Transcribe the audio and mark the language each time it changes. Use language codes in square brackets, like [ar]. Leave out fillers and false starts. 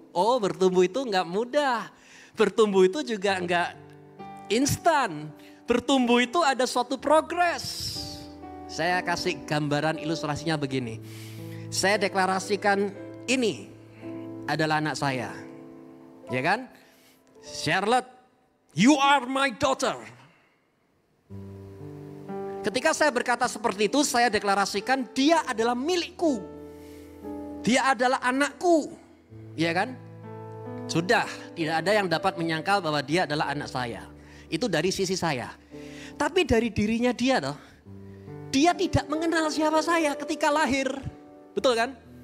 [id] Oh, bertumbuh itu enggak mudah. Bertumbuh itu juga enggak instan. Bertumbuh itu ada suatu progres. Saya kasih gambaran ilustrasinya begini. Saya deklarasikan ini adalah anak saya. Ya kan? [en] Charlotte, you are my daughter. [id] Ketika saya berkata seperti itu, saya deklarasikan dia adalah milikku. Dia adalah anakku. Iya kan? Sudah, tidak ada yang dapat menyangkal bahwa dia adalah anak saya. Itu dari sisi saya. Tapi dari dirinya dia loh, dia tidak mengenal siapa saya ketika lahir. Betul kan?